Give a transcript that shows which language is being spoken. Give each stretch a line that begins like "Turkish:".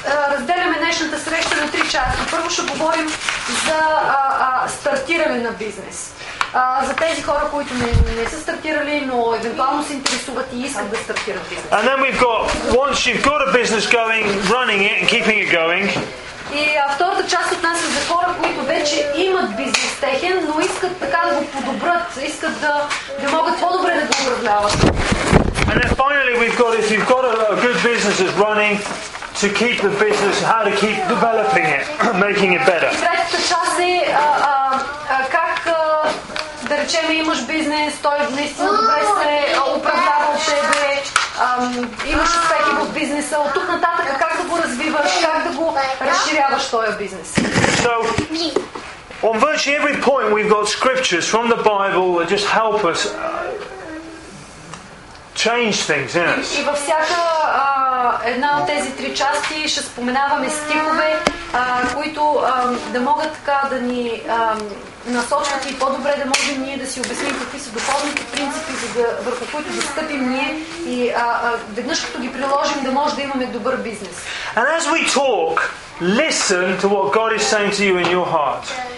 Bulgarian: Разделяме днешната среща на три части. Първо ще говорим за стартиране на бизнес. За тези хора, които не са стартирали, но евентуално се интересуват и искат да стартират бизнес.
English: And then we've got, once you've got a business going, running it and keeping it going.
Bulgarian: И втората част отнася за хора, които вече имат бизнес техен, но искат така да го подобрят, искат да могат по-добре да го управляват.
English: And then finally we've got, if you've got a good business that's running, to keep the business, how to keep developing it, making it better.
Bulgarian: Третата част е как да речем имаш бизнес, той наистина добре се управлява от тебе, имаш успехи в бизнеса, от тук нататък как да го развиваш, как да го разширяваш този бизнес.
English: So, on virtually every point we've got scriptures from the Bible that just help us change things in us.
Bulgarian: И във всяка една от тези три части ще споменаваме стихове, които да могат така да ни насочват и по-добре да можем ние да си обясним какви са духовните принципи, върху които да стъпим ние и веднъж като ги приложим да може да имаме добър бизнес.
English: And as we talk, listen to what God is saying to you in your heart.